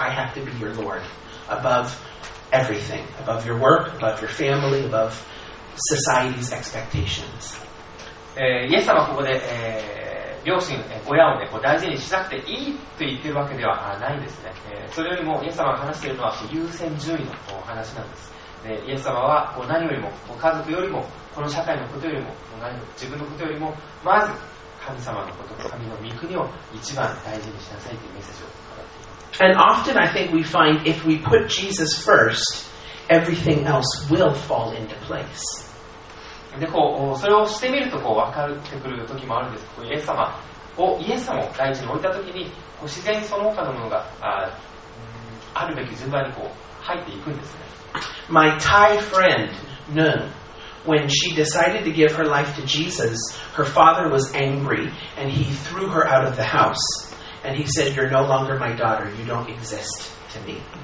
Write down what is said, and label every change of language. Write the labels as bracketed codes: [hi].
[en] I have to be your Lord above everything, above your work, above your family, above society's expectations. [ja] イエス様はここで、両親、親を、ね、こう大事にしなくていいと言っているわけではないんですね。それよりもイエス様が話しているのは優先順位のこう話なんです。でイエス様はこう何よりも家族よりもこの社会のことよりも自分のことよりもまず神様のこと、神の御国を一番大事にしなさいというメッセージを語っています。 [en] And often I think we find if we put Jesus first, everything else will fall into place. [ja] でこうそれをしてみるとこう分かってくる時もあるんです。こうイエス様を第一に置いた時にこう自然その他のものが あるべき順番にこう入っていくんですね。 [en] My Thai friend, Nun, when she decided to give her life to Jesus, her father was angry and he threw her out of the house. And he said, you're no longer my daughter, you don't exist to me.